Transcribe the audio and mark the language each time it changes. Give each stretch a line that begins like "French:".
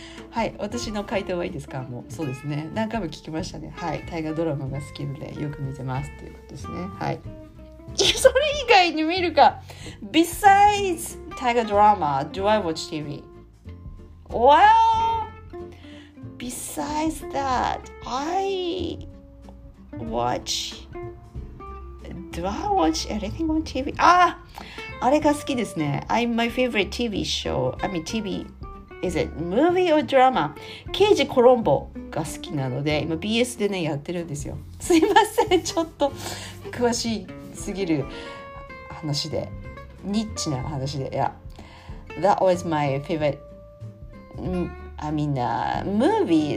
Japanese: はい、私の回答はいいですか。もうそうですね、何回も聞きましたね。はい、大河ドラマが好きのでよく見てますっていうことですね。はい、それ以外に見るか。
English: Besides 大河ドラマ Do I watch TV? Well, besides that I watch Do I watch anything on TV?
Japanese: あれが好きですね。
English: I'm my favorite TV show I mean TV Is it movie or drama?
Japanese: 刑事コロンボが好きなので今 BS でねやってるんですよ。すいません、ちょっと詳しすぎる話で、ニッチな話で、いや、
English: That was my favorite, I mean, movie.